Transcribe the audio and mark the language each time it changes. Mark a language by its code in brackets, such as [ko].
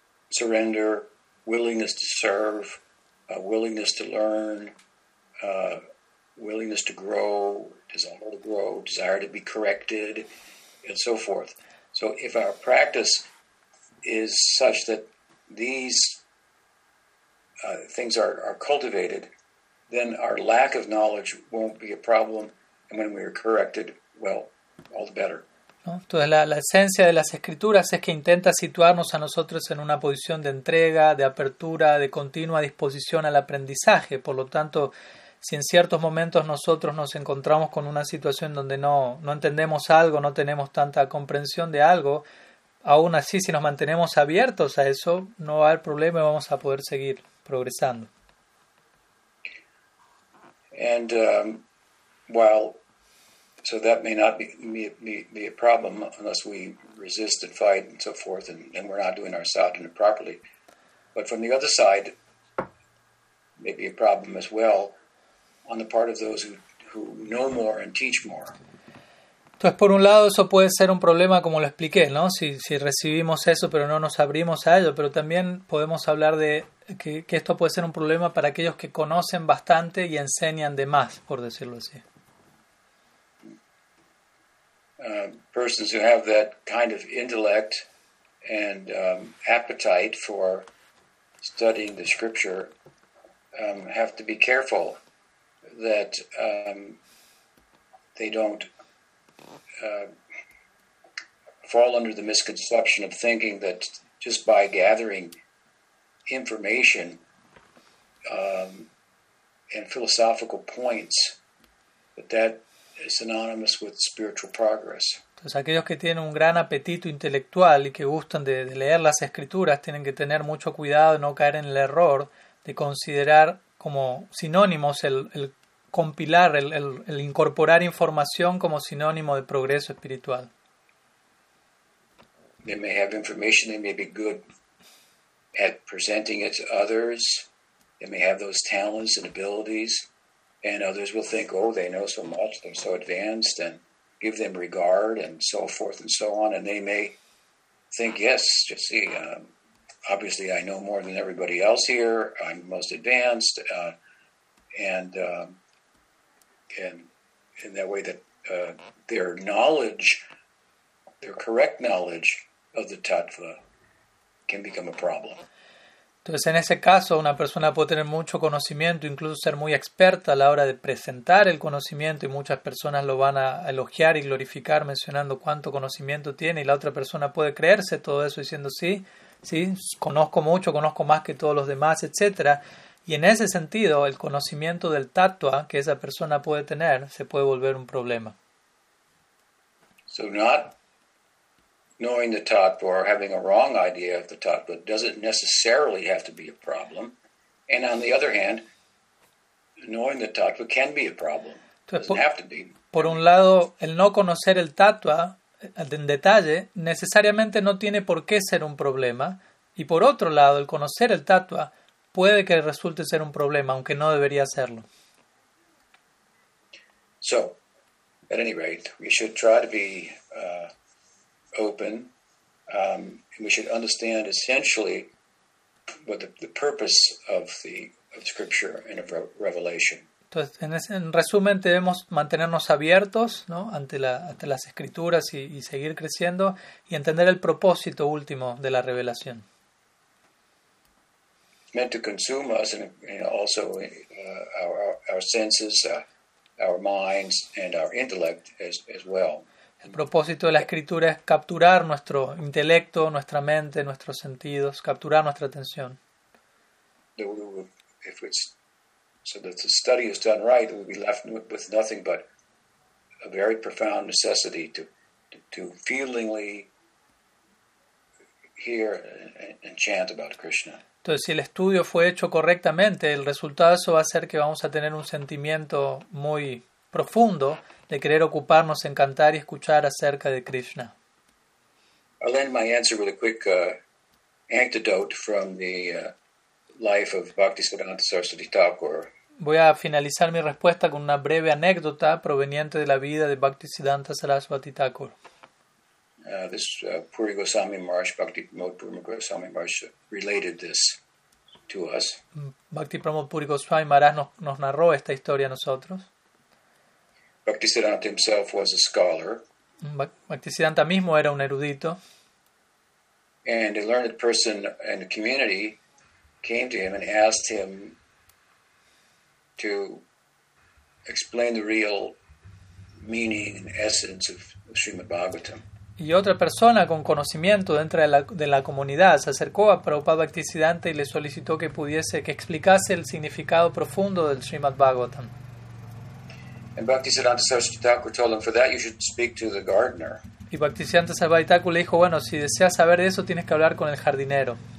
[en] surrender, willingness to serve, willingness to learn, willingness to grow, desire to grow, desire to be corrected, and so forth. So if our practice is such that these things are cultivated, then our lack of knowledge won't be a problem, and when we are corrected, well, all the better. [es] ¿No? Entonces, la esencia de las escrituras es que intenta situarnos a nosotros en una posición de entrega, de apertura, de continua disposición al aprendizaje. Por lo tanto, si en ciertos momentos nosotros nos encontramos con una situación donde no entendemos algo, no tenemos tanta comprensión de algo, aún así, si nos mantenemos abiertos a eso, no va a haber problema y vamos a poder seguir progresando. [en] And so that may not be a problem unless we resist and fight and so forth, and we're not doing our sadhana properly. But from the other side, may be a problem as well on the part of those who know more and teach more. [es] Entonces, por un lado, eso puede ser un problema, como lo expliqué, ¿no? Si recibimos eso, pero no nos abrimos a ello. Pero también podemos hablar de que esto puede ser un problema para aquellos que conocen bastante y enseñan de más, por decirlo así. [en] Persons who have that kind of intellect and appetite for studying the scripture have to be careful that they don't fall under the misconception of thinking that just by gathering information and philosophical points, that is synonymous with spiritual progress. [es] Entonces, aquellos que tienen un gran apetito intelectual y que gustan de leer las escrituras tienen que tener mucho cuidado de no caer en el error de considerar como sinónimos el compilar, el incorporar información como sinónimo de progreso espiritual. [en] They may have information, they may be good at presenting it to others, they may have those talents and abilities, and others will think, oh, they know so much, they're so advanced, and give them regard, and so forth and so on, and they may think, yes, just see, obviously I know more than everybody else here, I'm most advanced, and in that way that their knowledge, their correct knowledge of the tattva can become a problem. [es] Entonces, en ese caso, una persona puede tener mucho conocimiento, incluso ser muy experta a la hora de presentar el conocimiento, y muchas personas lo van a elogiar y glorificar mencionando cuánto conocimiento tiene, y la otra persona puede creerse todo eso diciendo, sí, sí, conozco mucho, conozco más que todos los demás, etc. Y en ese sentido, el conocimiento del tattva que esa persona puede tener se puede volver un problema. [en] So not knowing the tattva or having a wrong idea of the tattva doesn't necessarily have to be a problem. And on the other hand, knowing the tattva can be a problem. Entonces, doesn't have to be. [es] Por un lado, el no conocer el tattva en detalle necesariamente no tiene por qué ser un problema. Y por otro lado, el conocer el tattva puede que resulte ser un problema, aunque no debería serlo. [en] So, at any rate, we should try to be open, and we should understand essentially what the purpose of scripture and of revelation. [es] Entonces, en resumen, debemos mantenernos abiertos, ¿no? ante las escrituras y seguir creciendo y entender el propósito último de la revelación. [en] It's meant to consume us and also our senses, our minds and our intellect as well. [es] El propósito de la escritura es capturar nuestro intelecto, nuestra mente, nuestros sentidos, capturar nuestra atención. [en] So that the study is done right, we'll be left with nothing but a very profound necessity to feelingly hear and chant about Krishna. [es] Entonces, si el estudio fue hecho correctamente, el resultado de eso va a ser que vamos a tener un sentimiento muy profundo de querer ocuparnos en cantar y escuchar acerca de Krishna. [en] I'll end my answer with a quick anecdote from the life of Bhaktisiddhanta Saraswati Thakur. [es] Voy a finalizar mi respuesta con una breve anécdota proveniente de la vida de Bhaktisiddhanta Saraswati Thakur. [en] This Puri Goswami Maharaj, Bhakti Pramod Puri Goswami Maharaj, related this to us. [es] Bhakti Pramod Puri Goswami Maharaj nos narró esta historia a nosotros. [en] Bhaktisiddhanta himself was a scholar. [es] Bhaktisiddhanta mismo era un erudito. [en] And a learned person in the community came to him and asked him to explain the real meaning and essence of Srimad Bhagavatam. [es] Y otra persona con conocimiento dentro de la comunidad se acercó a Prabhupada Bhaktisiddhanta y le solicitó que pudiese, que explicase el significado profundo del Srimad Bhagavatam. [en] And Bhaktisiddhanta Saraswati Thakur told him, for that you should speak to the gardener. [es] Y Bhaktisiddhanta Saraswati Thakur le dijo, bueno, si deseas saber de eso, tienes que hablar con el jardinero.